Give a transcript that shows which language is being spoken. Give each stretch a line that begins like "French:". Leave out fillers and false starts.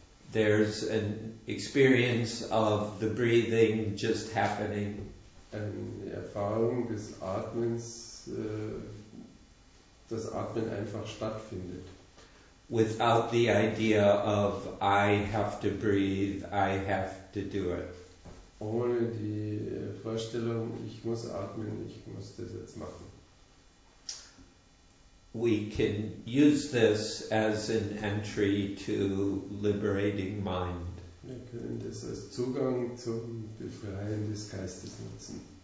English: There's an experience of the breathing just happening.
German: Eine Erfahrung des Atmens, das Atmen einfach stattfindet.
English: Without the idea of I have to breathe, I have to do it.
German: Ohne die Vorstellung, ich muss atmen, ich muss das jetzt machen.
English: We can use this as an entry to liberating mind.
German: Wir können das als Zugang zum Befreien des Geistes nutzen.